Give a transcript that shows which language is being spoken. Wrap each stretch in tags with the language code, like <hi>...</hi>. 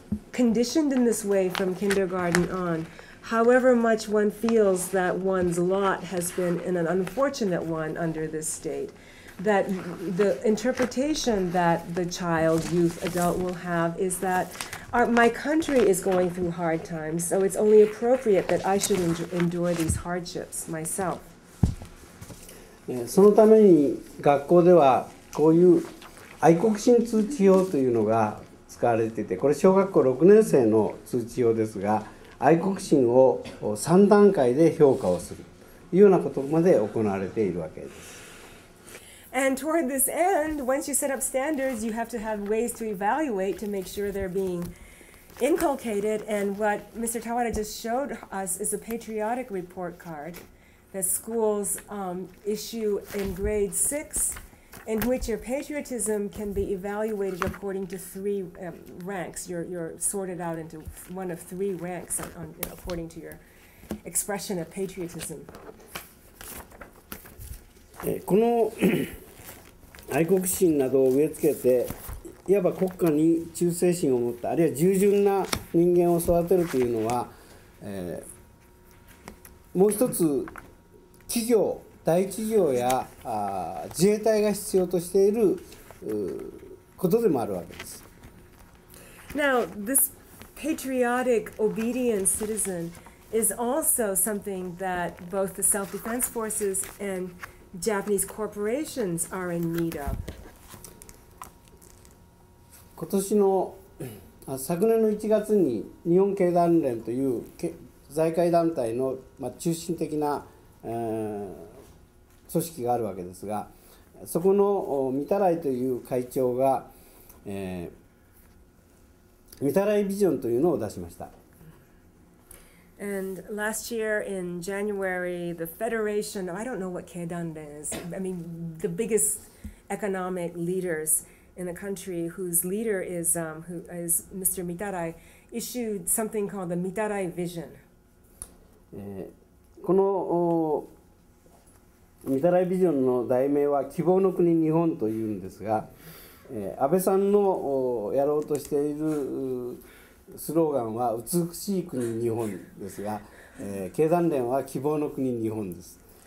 <en>conditioned in this way from kindergarten on, however much one feels that one's lot has been in an unfortunate one under this state, that the interpretation that the child, youth, adult will have is that my country is going through hard times, so it's only appropriate that I should endure these hardships myself.</en> <ja>そのために学校ではこういう愛国心通知表というのが使われていて、これ小学校6年生の通知表ですが、愛国心を3段階で評価をするというようなことまで行われているわけです。</ja> <en>And toward this end, once you set up standards, you have to have ways to evaluate to make sure they're being inculcated. And what Mr. Tawada just showed us is a patriotic report cardthat schools, issue in grade 6, in which your patriotism can be evaluated according to three, ranks. You're sorted out into one of three ranks on, according to your expression of patriotism.</en> <ja>この愛国心などを植え付けて、いわば国家に忠誠心を持った、あるいは従順な人間を育てるというのは、もう一つ企業、大企業や自衛隊が必要としていることでもあるわけです。</ja> <en>Now, this patriotic, obedient citizen is also something that both the self-defense forces and Japanese corporations are in need of.</en> <ja>昨年の1月に日本経団連という財界団体の中心的な組織があるわけですが、そこの御手洗という会長が、御手洗ビジョンというのを出しました。</ja> <en>And last year in January, the Federation, I don't know what Keidan Ben is, I mean, the biggest economic leaders in the country whose leader is, who is Mr. Mitarai, issued something called the Mitarai Vision.</en> <ja>この Mitarai Vision の題名は希望の国日本というんですが、安倍さんのやろうとしているスローガンは美しい国日本ですが、経団連は希望の国日本です。</ja>